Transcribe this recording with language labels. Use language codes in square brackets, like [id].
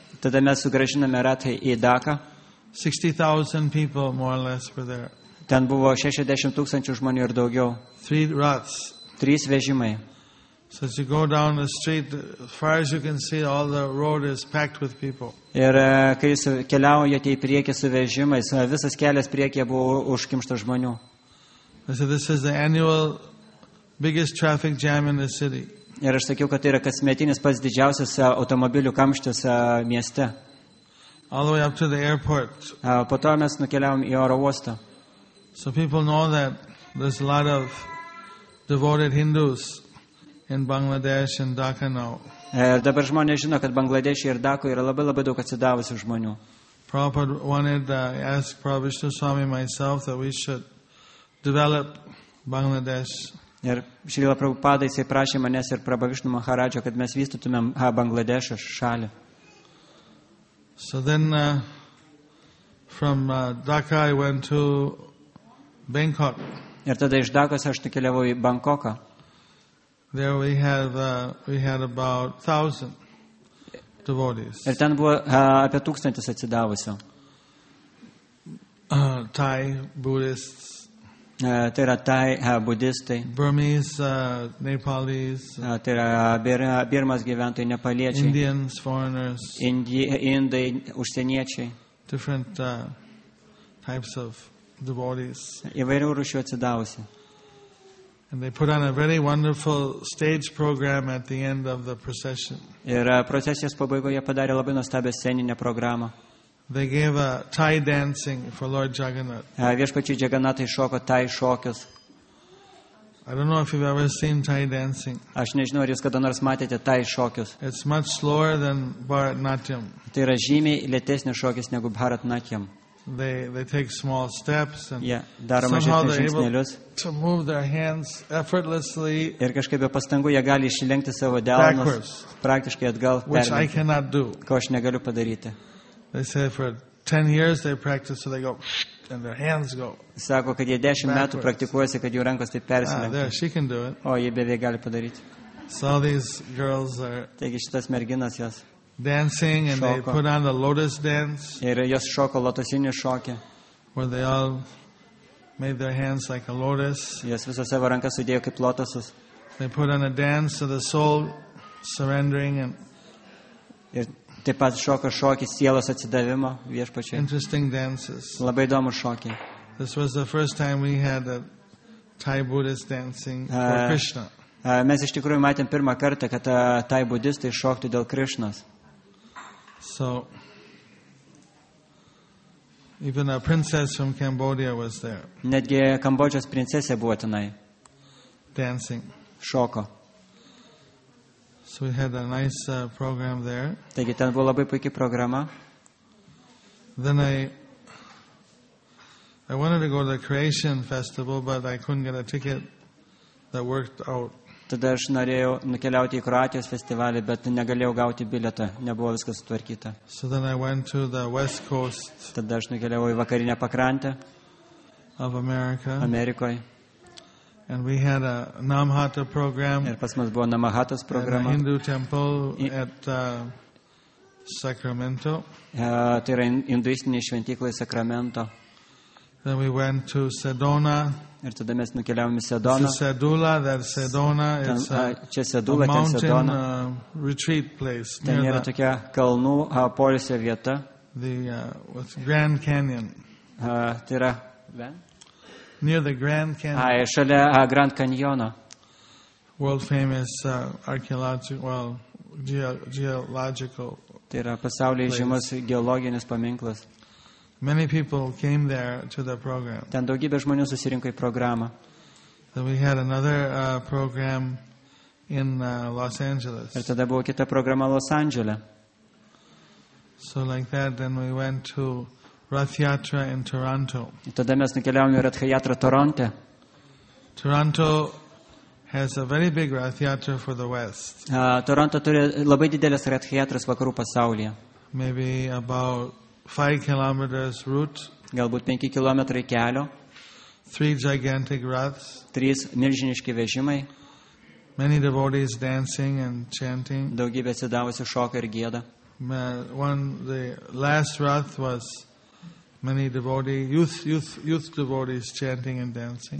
[lt] Tada nesu grąžina mergaitę į Dhaka. [en] 60,000 people more or less were there. [lt] Ten buvo 60 tūkstančių žmonių ir daugiau. [en] Three rats. [lt] Trys vežimai. [en] So as you go down the street, as far as you can see, all the road is packed with people. [lt] Ir kai jūs keliaujate į priekį su vežimais, visas kelias priekyje buvo užkimštas žmonių. [en] So this is the annual biggest traffic jam in the city. [lt] Ir aš sakiau, kad tai yra kasmetinis pats didžiausias automobilių kamštis mieste. [en] All the way up to the airport. [lt] Po to mes nukeliavom į oro uostą. [en] So people know that there's a lot of devoted Hindus in Bangladesh and Dhaka now. [lt] Dabar žmonės žino, kad Bangladeše ir Dhaka yra labai labai daug atsidavusių žmonių. [en] Prabhupada wanted to ask Prabhu Swami myself that we should develop Bangladesh. [lt] Ir Šrila Prabhupada jisai prašė manęs ir Prabhu Vishnu Maharadžio, kad mes vystytumėm Bangladešo šalį. [en] So then from Dhaka I went to Bangkok. [lt] Ir tada iš Dakos aš nukeliavau į Bangkoką. [en] There we had about 1,000 devotees. [lt] Ir ten buvo apie 1,000 atsidavusių. [en] Thai Buddhists. [lt] Tai yra Thai budistai. [en] Burmese, Nepalese. [lt] Tai yra Birmas gyventojai, nepaliečiai. [en] Indians, foreigners. [lt] Indai, užsieniečiai. [en] Different types of devotees. [lt] Įvairių rūšių atsidavusių. [en] And they put on a very wonderful stage program at the end of the procession. [lt] Ir procesijos pabaigoje padarė labai nuostabią sceninę programą. [en] They gave a Thai dancing for Lord Jagannath. [lt] Viešpačiai Jagannathai šoko Thai šokius. [en] I don't know if you've ever seen Thai dancing. [lt] Aš nežinau, ar jūs kada nors matėte Thai šokius. [en] It's much slower than Bharatanatyam. [lt] Tai yra žymiai lėtesnis šokis negu Bharatanatyam. [en] They take small steps and somehow they're able to move their hands effortlessly. [lt] Ir kažkaip be pastangų jie gali išlenkti savo delnus praktiškai atgal. [en] Which I cannot do. [lt] Ko aš negaliu padaryti. [en] They say for 10 years they practice, so they go and their hands go. [lt] Sako, kad jie 10 metų praktikuojasi, kad jų rankos taip persilenkia. [en] There she can do it. [lt] O jie beveik gali padaryti. [en] So these girls are. [lt] Taigi šitas merginas jos. [en] Dancing and [lt] šoko. [en] They put on the lotus dance. [lt] Ir jos šoko lotosinį šokį. [en] Where they all made their hands like a lotus. [lt] Jos visas savo rankas sudėjo kaip lotosus. [en] They put on a dance of the soul surrendering and. [lt] Ir taip pat šoko šokį sielos atsidavimo viešpačiai. [en] Interesting dances. [lt] Labai įdomu šokį. [en] This was the first time we had a Thai Buddhist dancing for Krishna. [lt] Mes iš tikrųjų matėm pirmą kartą, kad Thai budistai šoktų dėl Krishnas. [en] So even a princess from Cambodia was there. [lt] Netgi Kambodžos princesė buvo tenai. [en] Dancing. [lt] Šoko. [en] So we had a nice program there. [lt] Taigi ten buvo labai puiki programa. [en] Then I wanted to go to the creation festival, but I couldn't get a ticket that worked out. [lt] Tada aš norėjau nukeliauti į Kroatijos festivalį, bet negalėjau gauti biletą, nebuvo viskas sutvarkyta. [en] So then I went to the west coast. [lt] Tada aš nukeliavau į vakarinę pakrantę [en] of America. [lt] Amerikoje. [en] And we had a Namahata program. [lt] Ir pas mus buvo Namahatas programa. [en] At a Hindu temple at Sacramento. [lt] Tai yra induistinė šventykla Sacramento. [en] Then we went to Sedona. [lt] Ir tada mes nukeliavom į Sedoną. [en] Sedula, that Sedona is [lt] čia Sedula, [en] a mountain, [lt] ten Sedona. [en] Retreat place. [lt] Ten yra tokia kalnų poilsio vieta. [en] The Grand Canyon. [lt] Tai yra [en] near the Grand Canyon. [lt] Ai, šalia Grand Canyono. [en] World famous geological. [lt] Tai yra pasaulyje žymus geologinis paminklas. [en] Many people came there to the program. [lt] Ten daugybė žmonių susirinko į programą. [en] Then we had another program in Los Angeles. [lt] Ir tada buvo kita programa Los Andžele. [en] So like that, then we went to Rath Yatra in Toronto. [lt] Ir tada mes nukeliavome į Rath Yatra Toronte. [en] Toronto has a very big Rath Yatra for the West. [lt] Toronto turi labai didelės Rath Yatras vakarų pasaulyje. [en] Maybe about 5 kilometers route. [lt] Galbūt 5 kilometrai kelio. [en] 3 gigantic rats. [lt] 3 milžiniški vežimai. [en] Many devotees dancing and chanting. [lt] Daugybė atsidavusių šoka ir gėda. [en] One, the last rath was many devotees, youth devotees chanting and dancing.